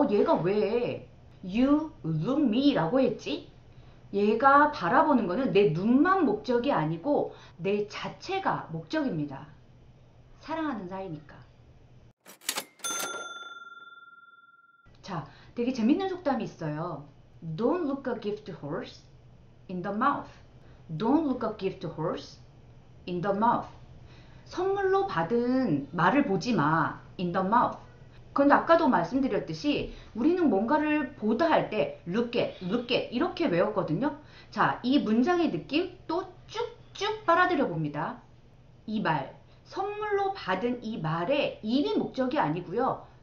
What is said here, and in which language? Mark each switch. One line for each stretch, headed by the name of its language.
Korean: 얘가 왜
English: you look me
Korean: 라고 했지? 얘가 바라보는 거는 내 눈만 목적이 아니고 내 자체가 목적입니다. 사랑하는 사이니까. 자, 되게 재밌는 속담이 있어요.
English: Don't look a gift horse in the mouth. Don't look a gift horse in the mouth.
Korean: 선물로 받은 말을 보지 마.
English: In the mouth.
Korean: 그런데 아까도 말씀드렸듯이 우리는 뭔가를 보다 할 때 look at 이렇게 외웠거든요. 자, 이 문장의 느낌 또 쭉쭉 빨아들여 봅니다. 이 말, 선물로 받은 이 말에 이미 목적이 아니고요.